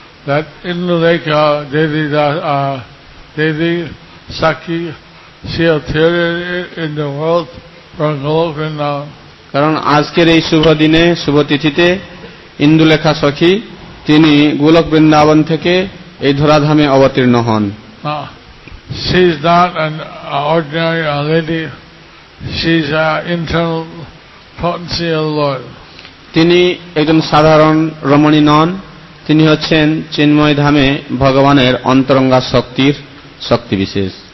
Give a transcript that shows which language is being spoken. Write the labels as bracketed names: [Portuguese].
[English] that Indulekha Devi, Devi Sakhi, she appeared in the world from Golokana. [Bangla] কারণ আজকের এই শুভ দিনে শুভ তিথিতে ইন্দুলেখা সখী তিনি গোলক বৃন্দাবন থেকে এই ধরাধামে অবতীর্ণ হন। [English] She is not an ordinary lady. She is an internal potential lord. [Bangla] তিনি একজন সাধারণ রমণী নন তিনি হচ্ছেন চিন্ময় ধামে ভগবানের অন্তরঙ্গা শক্তির শক্তি বিশেষ।